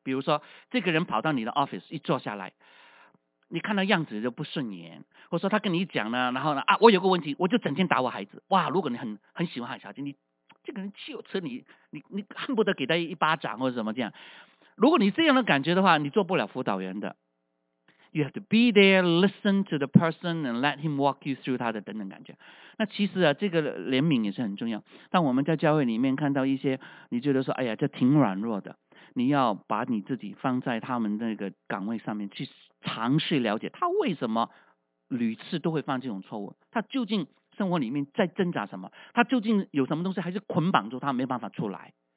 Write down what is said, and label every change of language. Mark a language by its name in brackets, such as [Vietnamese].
[Chinese] 比如说，这个人跑到你的 office 一坐下来，你看到样子就不顺眼，或者说他跟你讲呢，然后呢我有个问题，我就整天打我孩子。哇，如果你很喜欢小孩，你这个人岂有此理，你恨不得给他一巴掌或者什么这样。如果你这样的感觉的话，你做不了辅导员的。 [English] You have to be there, listen to the person, and let him walk you through [Chinese] 他的等等感觉。那其实啊，这个怜悯也是很重要。但我们在教会里面看到一些，你觉得说，哎呀，这挺软弱的。你要把你自己放在他们那个岗位上面，去尝试了解他为什么屡次都会犯这种错误。他究竟生活里面在挣扎什么？他究竟有什么东西还是捆绑住他没办法出来？